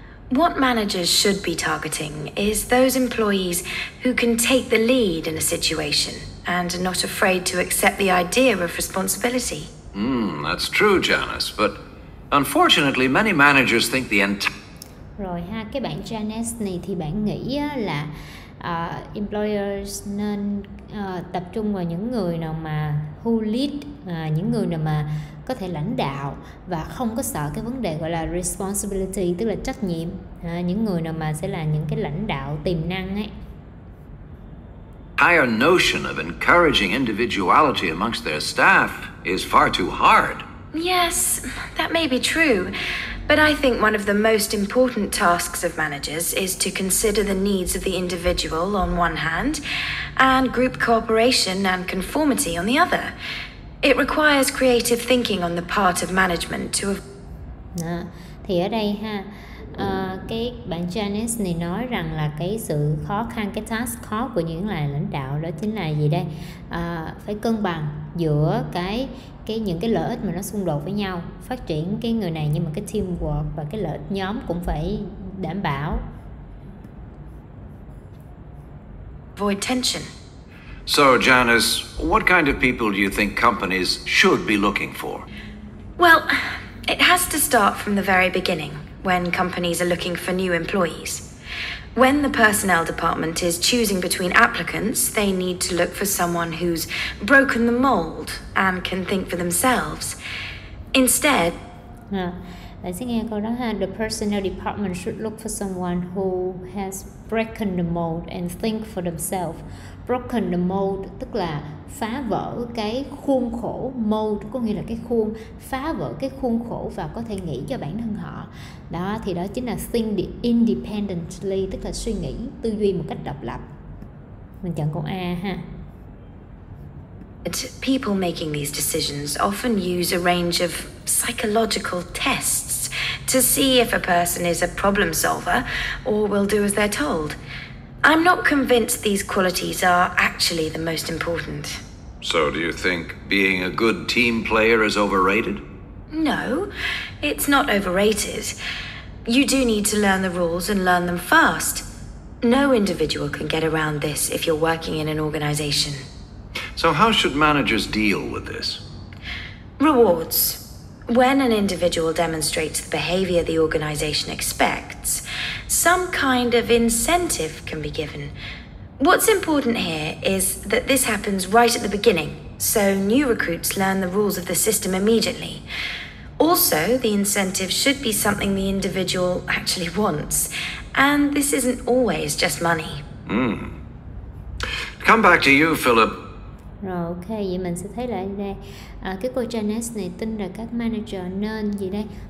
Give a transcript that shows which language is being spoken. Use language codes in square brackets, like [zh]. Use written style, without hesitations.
[en] What managers should be targeting is those employees who can take the lead in a situation and are not afraid to accept the idea of responsibility. That's true, Janice. But unfortunately, many managers think the entire... [vi] Rồi ha, cái bạn Janice này thì bạn nghĩ là employers nên tập trung vào những người nào mà [en] who lead, [vi] những người nào mà có thể lãnh đạo và không có sợ cái vấn đề gọi là responsibility, tức là trách nhiệm, những người nào mà sẽ là những cái lãnh đạo tiềm năng ấy. [en] Higher notion of encouraging individuality amongst their staff is far too hard. Yes, that may be true. But I think one of the most important tasks of managers is to consider the needs of the individual on one hand, and group cooperation and conformity on the other. It requires creative thinking on the part of management to... [vi] Thì ở đây ha, cái bạn Janice này nói rằng là cái sự khó khăn, cái task khó của những lãnh đạo đó chính là gì đây? Phải cân bằng giữa những cái lợi ích mà nó xung đột với nhau, phát triển cái người này, nhưng mà cái teamwork và cái lợi ích nhóm cũng phải đảm bảo. [en] avoid tension. So, Janice, what kind of people do you think companies should be looking for? Well, it has to start from the very beginning, when companies are looking for new employees. When the personnel department is choosing between applicants, they need to look for someone who's broken the mold and can think for themselves. Instead... The personnel department should look for someone who has broken the mold and think for themselves. Broken the mold [vi] tức là phá vỡ cái khuôn khổ, mold có nghĩa là cái khuôn, phá vỡ cái khuôn khổ và có thể nghĩ cho bản thân họ. Đó thì đó chính là [en] think independently, [vi] tức là suy nghĩ, tư duy một cách độc lập. Mình chọn câu A ha. [en] People making these decisions often use a range of psychological tests to see if a person is a problem solver or will do as they're told. I'm not convinced these qualities are actually the most important. So do you think being a good team player is overrated? No, it's not overrated. You do need to learn the rules and learn them fast. No individual can get around this if you're working in an organization. So how should managers deal with this? Rewards. When an individual demonstrates the behavior the organization expects, some kind of incentive can be given. What's important here is that this happens right at the beginning, so new recruits learn the rules of the system immediately. Also, the incentive should be something the individual actually wants, and this isn't always just money. Mm. Come back to you, Philip. [vi] Rồi ok, vậy mình sẽ thấy lại đây. À, cái cô Janice này tin là các manager nên gì đây?